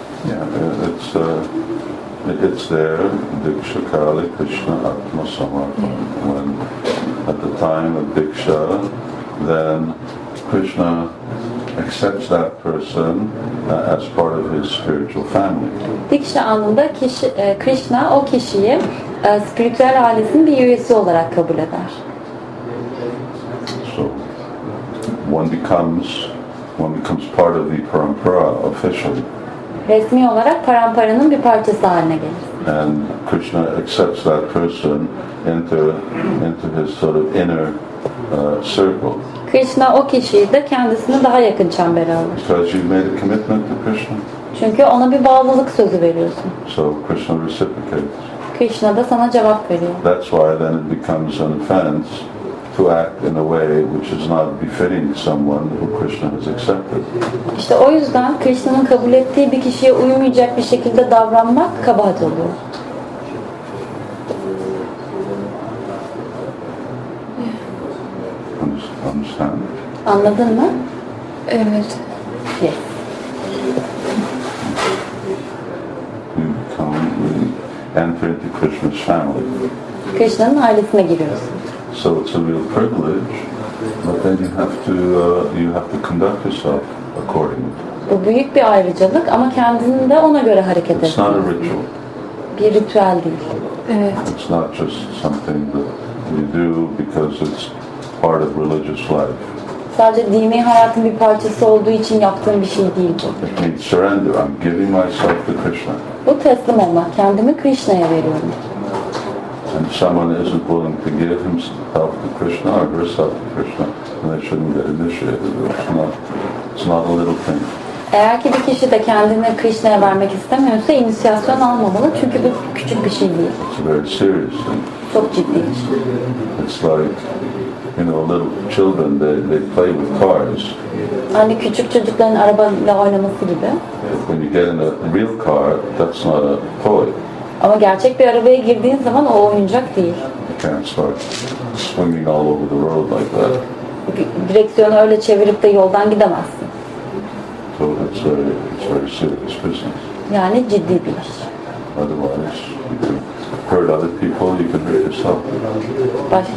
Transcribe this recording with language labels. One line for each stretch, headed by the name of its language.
English: Yeah, it's there, Diksha Kali Krishna Atma Samarpana. When at the time of Diksha, then Krishna accepts that person as part of his spiritual family.
Turkish: Diksha anında Krishna o kişiyi spiritüel ailesinin bir üyesi olarak kabul eder.
English: So, one becomes part of the parampara officially.
Turkish: Resmi olarak paramparanın bir parçası haline gelir.
English: And Krishna accepts that person into his sort of inner circle.
Turkish: Krishna o kişiyi de kendisine daha yakın çembere alır.
English: Because you made a commitment to Krishna.
Turkish: Çünkü ona bir bağlılık sözü veriyorsun.
English: So Krishna reciprocates.
Turkish: Krishna da sana cevap veriyor.
English: That's why then it becomes an offense to act in a way which is not befitting someone who Krishna has accepted.
Turkish: İşte o yüzden Krishna'nın kabul ettiği bir kişiye uymayacak bir şekilde davranmak kabahat oluyor.
English: Understand?
Turkish: Anladın mı? Evet.
English: Yes. You come, you enter into Krishna's family.
Turkish: Krishna'nın ailesine giriyorsun.
English: So it's a real privilege, but then you have to conduct yourself accordingly.
Turkish: Bu büyük bir ayrıcalık ama kendini de ona göre hareket et.
English: It's not a ritual.
Turkish: Bir ritüel değil. Evet.
English: It's not just something that you do because it's part of religious life.
Turkish: Sadece dini hayatın bir parçası olduğu için yaptığım bir şey değil.
English: It means surrender. I'm giving myself to Krishna.
Turkish: Bu teslim olmak. Kendimi Krishna'ya veriyorum.
English: And someone isn't willing to give himself to Krishna or herself to Krishna, then they shouldn't get initiated. It's not a little thing.
Turkish: Eğer ki bir kişi de kendini Krishna'ya vermek istemiyorsa, inisiyasyon almamalı çünkü bu küçük bir şey değil.
English: It's very serious. Thing.
Turkish: Çok ciddi.
English: It's like, you know, little children they play with cars.
Turkish: Hani küçük çocukların arabayla oynaması gibi.
English: When you get in a real car, that's not a toy.
Turkish: Ama gerçek bir arabaya girdiğin zaman o oyuncak değil.
English: You can't start swinging all over the road like that.
Turkish: Direksiyonu öyle çevirip de yoldan gidemezsin.
English: So it's very serious business.
Turkish: Yani ciddi bir iş.
English: Otherwise, you can hurt other people, you can hurt yourself.